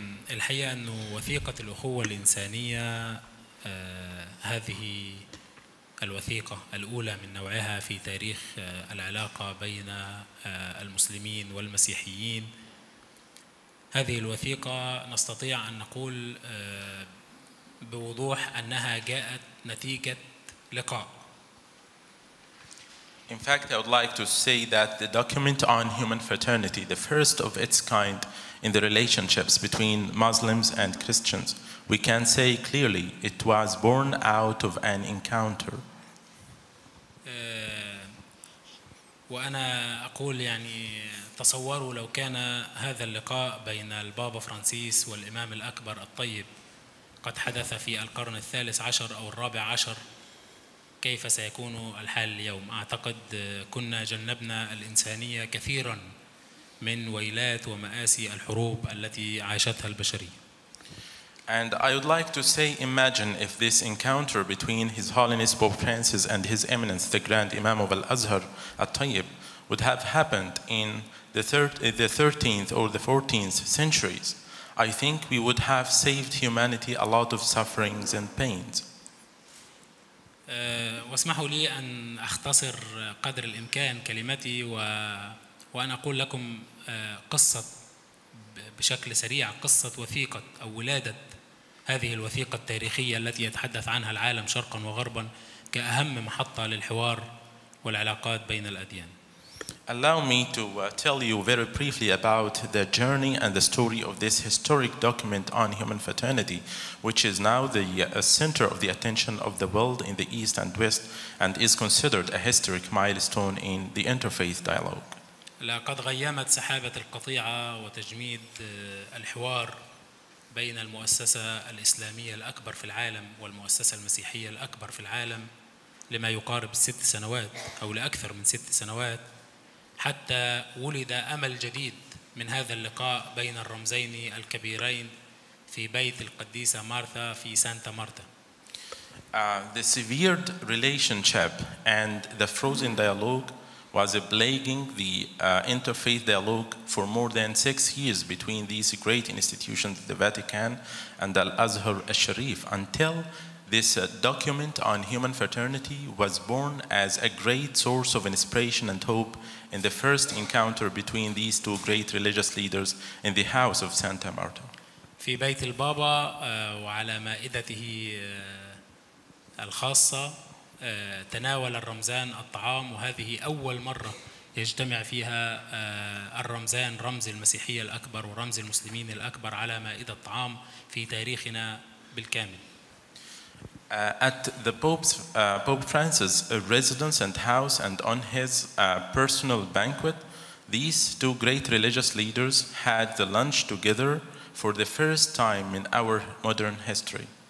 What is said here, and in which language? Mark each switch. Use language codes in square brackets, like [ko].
[ar] الحقيقة أن وثيقة الأخوة الإنسانية هذه الوثيقة الأولى من نوعها في تاريخ العلاقة بين المسلمين والمسيحيين هذه الوثيقة نستطيع أن نقول بوضوح أنها جاءت نتيجة لقاء. [en] In fact, I would like to say that the document on human fraternity, the first of its kind in the relationships between Muslims and Christians, we can say clearly it was born out of an encounter. [ar] وأنا أقول يعني تصوروا لو كان هذا اللقاء بين البابا فرانسيس والإمام الأكبر الطيب قد حدث في القرن الثالث عشر أو الرابع عشر كيف سيكون الحال اليوم؟ أعتقد كنا جنبنا الإنسانية كثيرا من ويلات ومآسي الحروب التي عاشتها البشرية. [en] And I would like to say, imagine if this encounter between His Holiness Pope Francis and His Eminence, the Grand Imam of Al-Azhar, Al-Tayyib, would have happened in the 13th or the 14th centuries. I think we would have saved humanity a lot of sufferings and pains. [ar] واسمحوا لي أن أختصر قدر الإمكان كلمتي وأن أقول لكم قصة بشكل سريع قصة وثيقة أو ولادة هذه الوثيقة التاريخية التي يتحدث عنها العالم شرقا وغربا كأهم محطة للحوار والعلاقات بين الأديان. [en] Allow me to tell you very briefly about the journey and the story of this historic document on human fraternity, which is now the center of the attention of the world in the East and West and is considered a historic milestone in the interfaith dialogue. [ar] لقد غيمت سحابة القطيعة وتجميد الحوار بين المؤسسة الإسلامية الأكبر في العالم والمؤسسة المسيحية الأكبر في العالم لما يقارب ست سنوات أو لأكثر من ست سنوات حتى ولد أمل جديد من هذا اللقاء بين الرمزين الكبيرين في بيت القديسة مارثا في سانتا مارتا. [en] The severed relationship and the frozen dialogue was plaguing the interfaith dialogue for more than 6 years between these great institutions, the Vatican and Al-Azhar al-Sharif, until this document on human fraternity was born as a great source of inspiration and hope in the first encounter between these two great religious leaders in the house of Santa Marta. [ar] في بيت البابا وعلى مائدته الخاصة تناول الرمزان الطعام وهذه أول مرة يجتمع فيها الرمزان رمز المسيحية الأكبر ورمز المسلمين الأكبر على مائدة الطعام في تاريخنا بالكامل. [en] At the Pope's, Pope Francis' residence and house and on his personal banquet, these two great religious leaders had the lunch together for the first time in our modern history.